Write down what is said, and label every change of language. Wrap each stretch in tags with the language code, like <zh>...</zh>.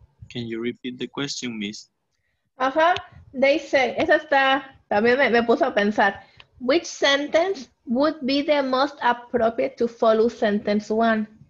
<en>Can you repeat the question, miss?</en> <es>Ajá,</es> <en>they say,</en> <es>esa está, también me puso a pensar.</es> <en>Which sentence would be the most appropriate to follow sentence one?</en>